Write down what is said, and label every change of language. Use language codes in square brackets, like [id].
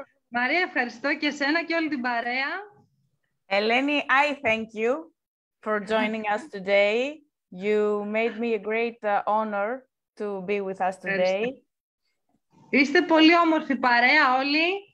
[el] Maria, ευχαριστώ και εσένα και όλη την παρέα. [en] Eleni, I thank you for joining us today. You made me a great honor to be with us today. [el] Είστε πολύ όμορφη παρέα όλοι.